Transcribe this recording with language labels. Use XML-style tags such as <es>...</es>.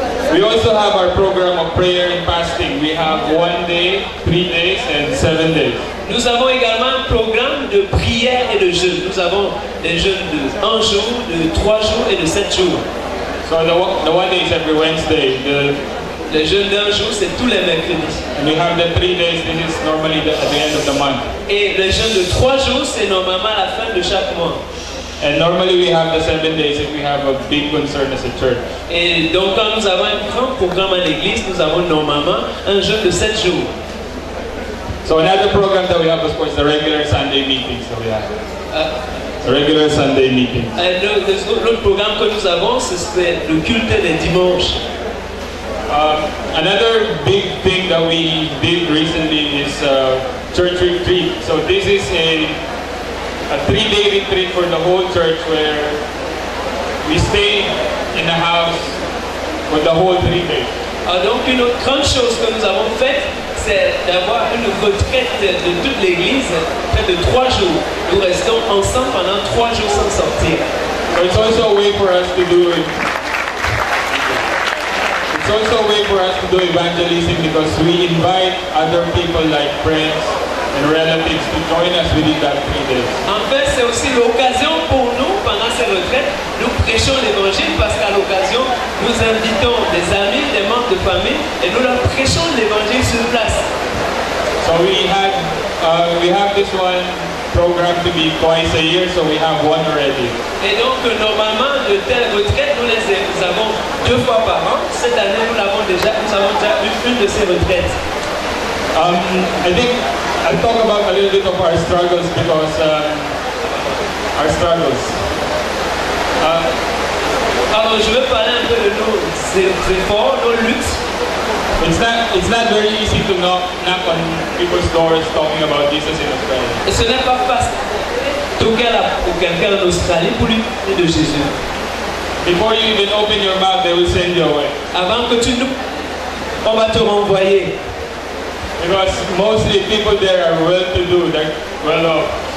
<en>We also have our program of prayer and fasting. We have 1 day, 3 days, and 7 days.</en> <fr>Nous avons également un programme de prière et de jeûne. Nous avons des jeûnes de 1 jour, de 3 jours et de 7 jours.</fr> <en>So the 1 day is every Wednesday.</en> <fr>Le jeûne d'un jour, c'est tous les mercredis.</fr> <en>And we have the 3 days, this is normally at the end of the month.</en> <fr>Et le jeûne de 3 jours, c'est normalement à la fin de chaque mois.</fr> <en>And normally we have the 7 days if we have a big concern as a church.</en> <fr>Et donc quand nous avons un grand programme à l'église, nous avons normalement un jeûne de 7 jours.</fr> <en>So another program that we have, of course, the regular Sunday meetings that we have. Regular Sunday meetings.</en> <fr>And l'autre programme que nous avons, c'est le culte des dimanches.</fr> <en>Another big thing that we did recently is church retreat. So this is a 3-day retreat for the whole church where we stay in the house for the whole 3 days.</en> <fr>Donc une autre grande chose que nous avons faite, c'est d'avoir une retraite de toute l'église près de 3 jours. Nous restons ensemble pendant 3 jours sans sortir.</fr> <en>So it's also a way for us to do it. It's also a way for us to do evangelism because we invite other people like friends and relatives to join us within that 3 days.</en> <fr>En fait, c'est aussi l'occasion pour nous, pendant ces retraites, nous prêchons l'évangile parce qu'à l'occasion, nous invitons des amis, des membres de famille et nous leur prêchons l'évangile sur place.</fr> <en>So we have this one program to be twice a year, so we have one already.</en> <fr>Et donc normalement de telles retraites nous avons 2 fois par an. Cette année nous avons déjà eu une de ces retraites.</fr> <en>I think I'll talk about a little bit of our struggles because our struggles.</en> <fr>Alors je veux parler un peu de nos efforts, nos luttes.</fr> <en>It's not very easy to knock on people's doors talking about Jesus in Australia.</en> <fr>Ce n'est pas facile toquer à quelqu'un en Australie pour lui parler de Jésus.</fr> <en>Before you even open your mouth, they will send you away.</en> <fr>Avant que tu nous, on va te renvoyer.</fr> <en>Because mostly people there are well-to-do, they're well off.</en>